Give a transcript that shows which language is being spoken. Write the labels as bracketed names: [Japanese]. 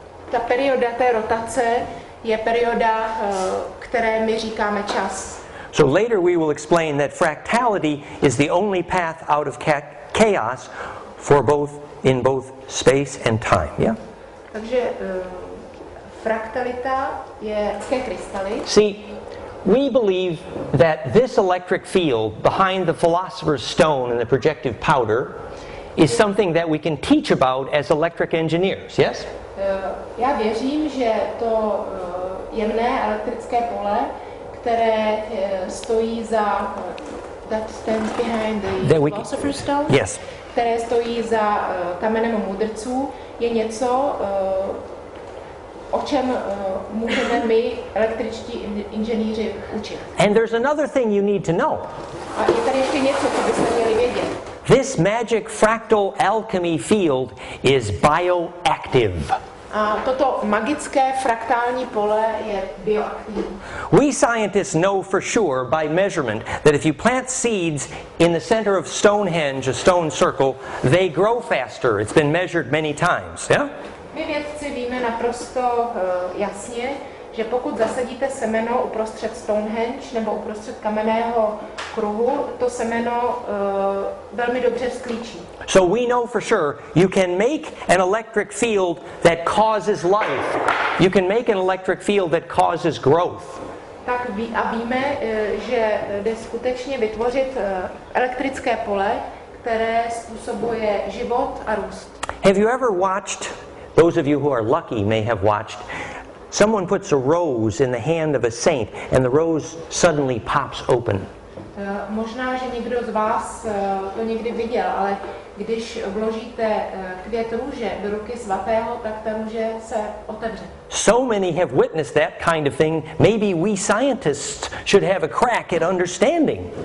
[Czech] Ta perioda té rotace je perioda, které my říkáme čas. [English] So later we will explain that fractality is the only path out of chaos for both in both space and time, yeah? [Czech] Takže fraktalita je ke krystaly. [English] See, we believe that this electric field behind the philosopher's stone and the projective powder is something that we can teach about as electric engineers, yes? [Czech] Já věřím, že to jemné elektrické pole, které stojí za [English] that stands behind the philosopher's stone, yes, [Czech] které stojí za kamenem mudrců, je něco, o čem můžeme my električtí inženýři učit. [English] And there's another thing you need to know. [Czech] A je tady ještě něco, co byste měli vědět. [English] This magic fractal alchemy field is bioactive. [Czech] A toto magické fraktální pole je bioaktivní. [English] We scientists know for sure by measurement that if you plant seeds in the center of Stonehenge, a stone circle, they grow faster. It's been measured many times, yeah? [Czech] My vědci víme naprosto jasně, že pokud zasadíte semeno uprostřed Stonehenge nebo uprostřed kamenného kruhu, to semeno velmi dobře vzklíčí. [English] So we know for sure you can make an electric field that causes life. You can make an electric field that causes growth. [Czech] Tak víme, že jde skutečně vytvořit elektrické pole, které způsobuje život a růst. [English] Have you ever watched, those of you who are lucky may have watched, someone puts a rose in the hand of a saint and the rose suddenly pops open. [Czech] Možná, že někdo z vás to někdy viděl, ale když vložíte květ růže do ruky svatého, tak ta růže se otevře. [English] So many have witnessed that kind of thing. Maybe we scientists should have a crack at understanding.